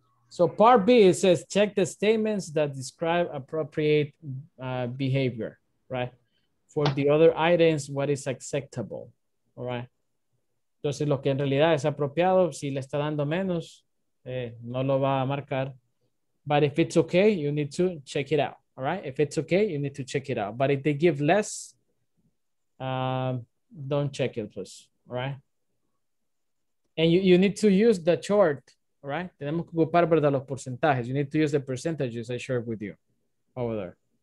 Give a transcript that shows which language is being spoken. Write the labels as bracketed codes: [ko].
[en] So part B, it says check the statements that describe appropriate behavior, right? For the other items, what is acceptable, all right? [es] Entonces, lo que en realidad es apropiado, si le está dando menos, no lo va a marcar. [en] But if it's okay, you need to check it out, all right? If it's okay, you need to check it out. But if they give less, don't check it, please, all right? And you need to use the chart, all right? [es] Tenemos que ocupar, ¿verdad?, los porcentajes. [en] You need to use the percentages I shared with you over there.